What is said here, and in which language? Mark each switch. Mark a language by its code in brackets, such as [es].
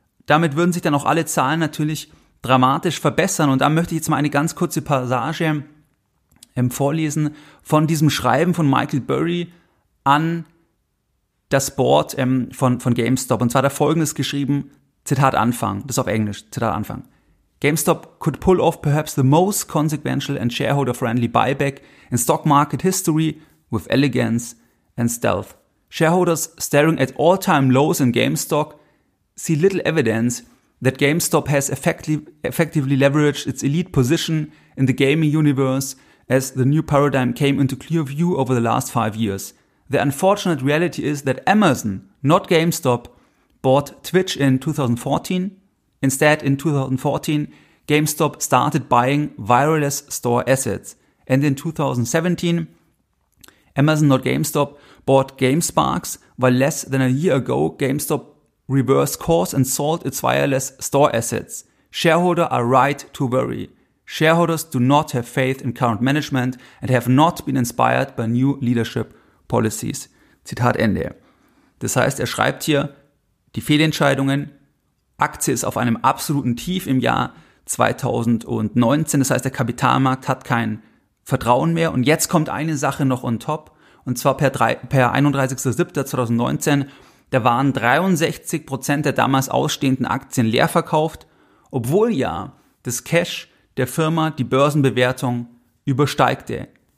[de] Damit würden sich dann auch alle Zahlen natürlich dramatisch verbessern. Und da möchte ich jetzt mal eine ganz kurze Passage vorlesen von diesem Schreiben von Michael Burry an das Board von GameStop. Und zwar hat er Folgendes geschrieben, Zitat Anfang, das ist auf Englisch, Zitat Anfang. [en] GameStop could pull off perhaps the most consequential and shareholder-friendly buyback in stock market history with elegance and stealth. Shareholders staring at all-time lows in GameStop see little evidence that GameStop has effectively leveraged its elite position in the gaming universe as the new paradigm came into clear view over the last 5 years. The unfortunate reality is that Amazon, not GameStop, bought Twitch in 2014. Instead, in 2014, GameStop started buying wireless store assets. And in 2017, Amazon, not GameStop, bought GameSparks, while less than a year ago, GameStop reversed course and sold its wireless store assets. Shareholders are right to worry. Shareholders do not have faith in current management and have not been inspired by new leadership policies. [de] Zitat Ende. Das heißt, er schreibt hier, die Fehlentscheidungen Aktie ist auf einem absoluten Tief im Jahr 2019. Das heißt, der Kapitalmarkt hat kein Vertrauen mehr. Und jetzt kommt eine Sache noch on top. Und zwar per 31.07.2019, da waren 63% der damals ausstehenden Aktien leer verkauft, obwohl ja das Cash der Firma die Börsenbewertung übersteigte.